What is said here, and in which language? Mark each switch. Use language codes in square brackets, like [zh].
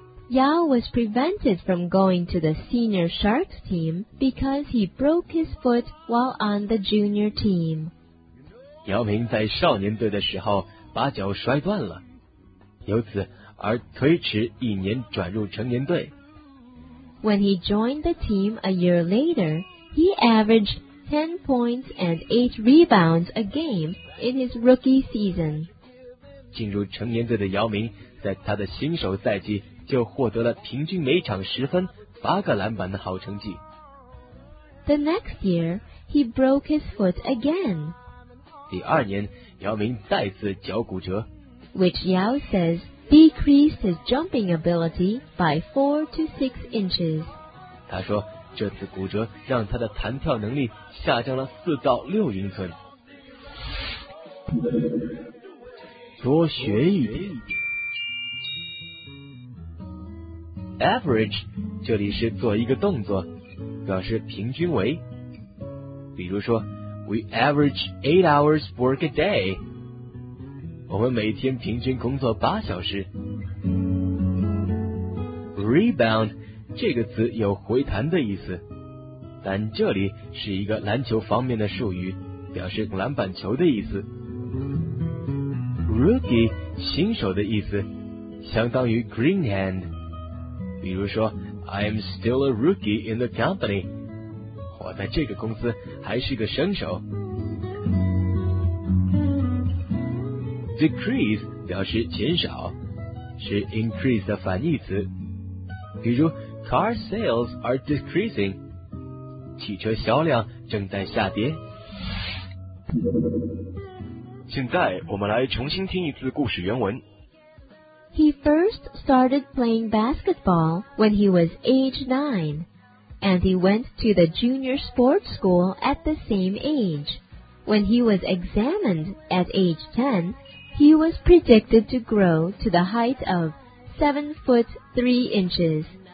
[en] Yao was prevented from going to the senior Sharks team because he broke his foot while on the junior team. [zh] 姚明在少年队的时候把脚摔断了，由此而推迟一年转入成年队。 [en] When he joined the team a year later, he averaged 10 points and 8 rebounds a game in his rookie season. [zh] 进入成年队的姚明在他的新手赛季就获得了平均每场十分、八个篮板的好成绩。 [en] The next year, he broke his foot again. [zh] 第二年，姚明再次脚骨折。 [en] Which Yao says decreased his jumping ability by 4 to 6 inches. [zh] 他说这次骨折让他的弹跳能力下降了4到6英寸。多学一点。 Average, 这里是做一个动作，表示平均为。比如说 [en] ,We average 8 hours work a day. [zh] 我们每天平均工作8小时。Rebound, 这个词有回弹的意思，但这里是一个篮球方面的术语，表示篮板球的意思。 Rookie, 新手的意思，相当于 green hand。比如说 [en] I'm still a rookie in the company, [zh] 我在这个公司还是个生手。 Decrease 表示减少，是 increase 的反义词。比如 [en] car sales are decreasing, [zh] 汽车销量正在下跌。现在我们来重新听一次故事原文。 [en] He first started playing basketball when he was age 9, and he went to the junior sports school at the same age. When he was examined at age 10, he was predicted to grow to the height of 7 foot 3 inches.